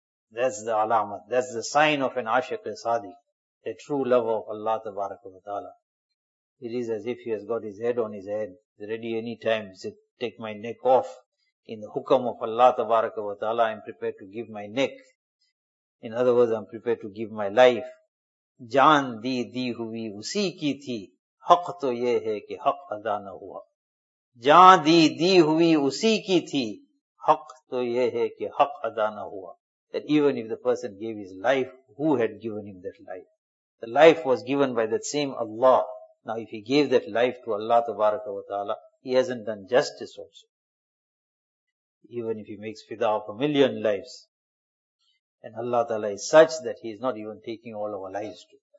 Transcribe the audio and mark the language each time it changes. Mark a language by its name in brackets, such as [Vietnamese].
[English] That's the alamat, that's the sign of an Aashiq-e sadiq, a true lover of Allah tabaraka wa ta'ala. It is as if he has got his head on his head, ready any time, said, take my neck off. In the hukam of Allah tabaraka wa ta'ala, I'm prepared to give my neck. In other words, I'm prepared to give my life. [Urdu] جان دی ہوئی اسی کی تھی حق تو یہ ہے کہ حق ادا نہ ہوا. جان دی ہوئی اسی کی تھی حق تو یہ ہے کہ حق ادا نہ ہوا. [English] That even if the person gave his life, who had given him that life? The life was given by that same Allah. Now if he gave that life to Allah تبارک و تعالی, he hasn't done justice also. Even if he makes fida of a million lives, and Allah Ta'ala is such that he is not even taking all our lives to.